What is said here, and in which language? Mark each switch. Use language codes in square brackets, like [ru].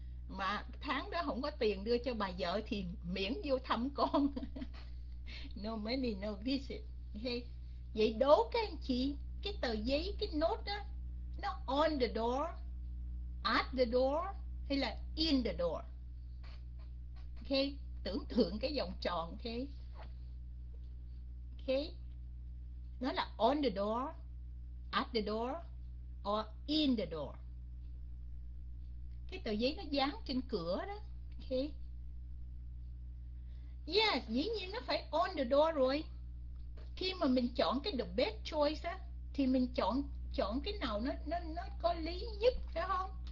[vi] Mà tháng đó không có tiền đưa cho bà vợ thì miễn vô thăm con. [en] No money, no visit. Okay. [vi] Vậy đố các anh chị, cái tờ giấy, cái nốt đó, nó [en] on the door, at the door [vi] hay là [en] in the door? [vi] Ok, tưởng tượng cái vòng tròn. [en] Ok, ok, [vi] nó là [en] on the door, at the door or in the door? [vi] Cái tờ giấy nó dán trên cửa đó. Ok, yes, dĩ nhiên nó phải [en] on the door [vi] rồi. Khi mà mình chọn cái [en] the best choice [vi] á, thì mình chọn cái nào nó có lý nhất, phải không?